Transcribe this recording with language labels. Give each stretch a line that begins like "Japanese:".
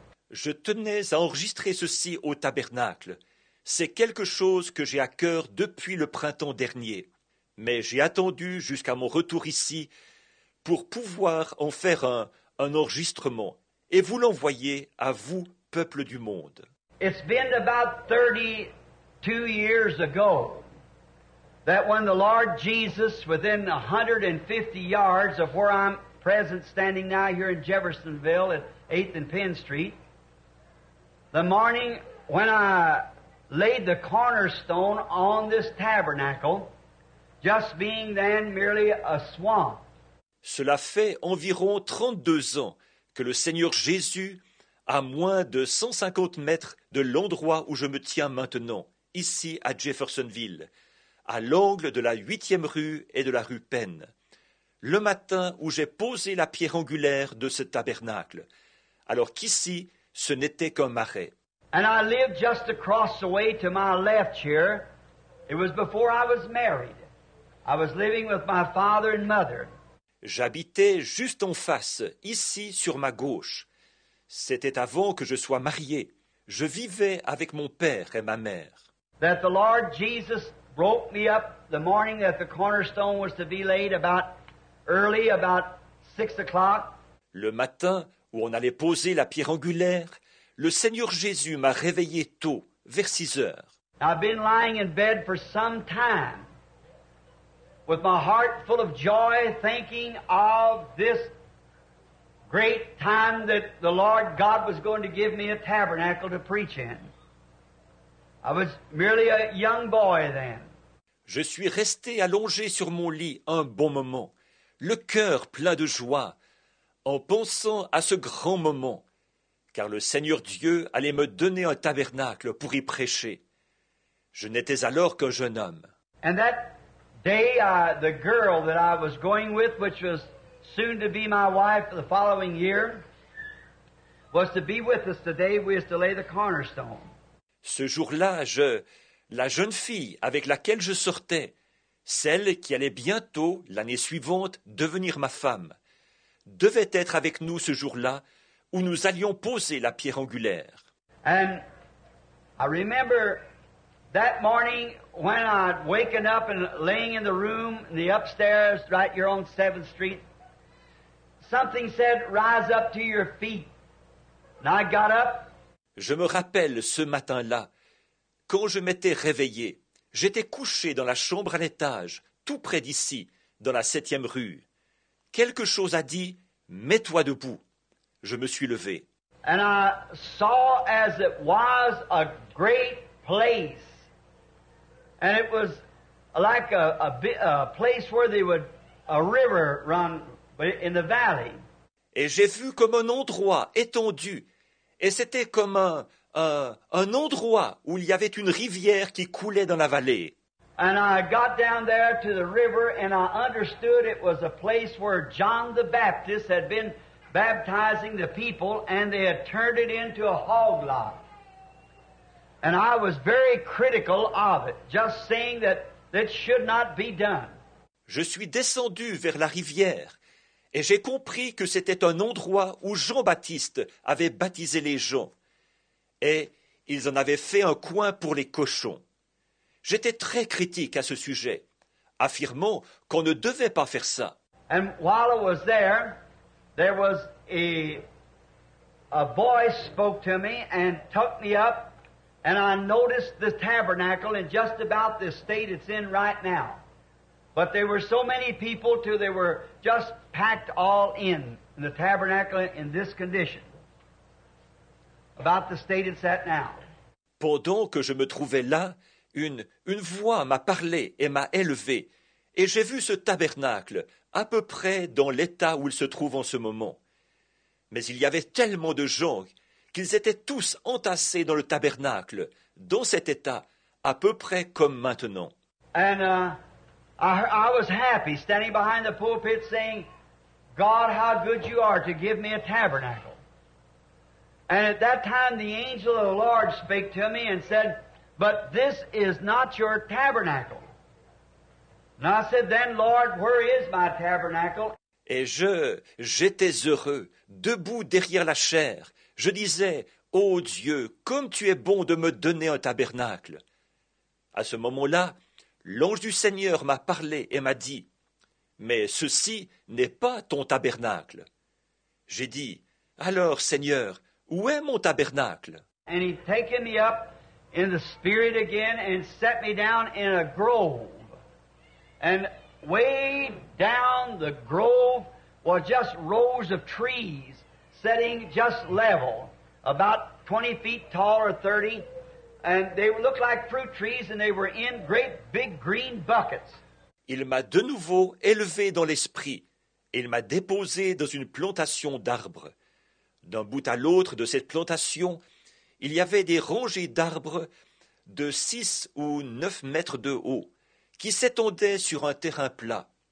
French: Je tenais à enregistrer ceci au tabernacle. C'est quelque chose que j'ai à cœur depuis le printemps dernier. Mais j'ai attendu jusqu'à mon retour ici pour pouvoir en faire un enregistrement et vous l'envoyez à vous, peuple du monde.
English: It's been about 32 years ago that when the Lord Jesus, within 150 yards of where I'm present standing now here in Jeffersonville at 8th and Penn Street, the morning when I laid the cornerstone on this tabernacle, just being then merely a swamp.
French: Cela fait environ 32 ans que le Seigneur Jésus, à moins de 150 mètres de l'endroit où je me tiens maintenant, ici à Jeffersonville, à l'angle de la 8e rue et de la rue Penn, le matin où j'ai posé la pierre angulaire de ce tabernacle, alors qu'ici, ce n'était qu'un marais.
English: And I lived just across the way to my left here. It was before I was married. I was living with my father and mother.
French: J'habitais juste en face, ici sur ma gauche. C'était avant que je sois marié. Je vivais avec mon père et ma mère.
English: That the Lord Jesus broke me up the morning that the cornerstone was to be laid about early, about 6 o'clock.
French: Le matin où on allait poser la pierre angulaire, le Seigneur Jésus m'a réveillé tôt, vers 6 heures.
English: I've been lying in bed for some time, with my heart full of joy, thinking of this great time that the Lord God was going to give me a tabernacle to preach in. I was merely a young boy then.
French: Je suis resté allongé sur mon lit un bon moment, le cœur plein de joie, en pensant à ce grand moment, car le Seigneur Dieu allait me donner un tabernacle pour y prêcher. Je n'étais alors qu'un jeune homme.
English: And that day, the girl that I was going with, which was soon to be my wife the following year, was to be with us the day we was to lay the cornerstone.
French: Ce jour-là, la jeune fille avec laquelle je sortais, celle qui allait bientôt, l'année suivante, devenir ma femme, devait être avec nous ce jour-là où nous allions poser la pierre angulaire.
English: And I remember that morning when I'd waken up and laying in the room in the upstairs right here on 7th Street, something said, rise up to your feet. And I got up.
French: Je me rappelle ce matin-là, quand je m'étais réveillé, j'étais couché dans la chambre à l'étage, tout près d'ici, dans la 7e rue. Quelque chose a dit, mets-toi debout. Je me suis levé.
English: And I saw as it was a great place. And it was like a place where they would a river run in the valley.
French: Et j'ai vu comme un endroit étendu, et c'était comme un endroit où il y avait une rivière qui coulait dans la vallée.
English: And I got down there to the river, and I understood it was a place where John the Baptist had been baptizing the people, and they had turned it into a hog lot. And I was very critical of it, just saying that it should not be done.
French: Je suis descendu vers la rivière et j'ai compris que c'était un endroit où Jean-Baptiste avait baptisé les gens et ils en avaient fait un coin pour les cochons. J'étais très critique à ce sujet, affirmant qu'on ne devait pas faire ça.
English: And while I was there, there was a voice spoke to me and took me up. And I noticed the tabernacle in just about the state it's in right now. But there were so many people too, they were just packed all in the tabernacle in this condition. About the state it's at now.
French: Pendant que je me trouvais là, une voix m'a parlé et m'a élevé. Et j'ai vu ce tabernacle à peu près dans l'état où il se trouve en ce moment. Mais il y avait tellement de gens qu'ils étaient tous entassés dans le tabernacle, dans cet état, à peu près comme maintenant.
English: And I was happy standing behind the pulpit saying, God, how good you are to give me a tabernacle. And at that time the angel of the Lord spake to me and said, but this is not your tabernacle. And I said, then Lord, where is my tabernacle?
French: Et j'étais heureux, debout derrière la chair. Je disais, ô Dieu, comme tu es bon de me donner un tabernacle. À ce moment-là, l'ange du Seigneur m'a parlé et m'a dit, mais ceci n'est pas ton tabernacle. J'ai dit, « Alors, Seigneur, où est mon tabernacle ?»
English: And he taken me up in the spirit again and set me down in a grove. And way down the grove were just rows of trees setting just level, about 20 feet tall or 30. And they looked like fruit trees and they were in great big green buckets.
French: Il m'a de nouveau élevé dans l'esprit et il m'a déposé dans une plantation d'arbres. D'un bout à l'autre de cette plantation, il y avait des rangées d'arbres de 6 ou 9 mètres de haut qui s'étendaient sur un terrain plat.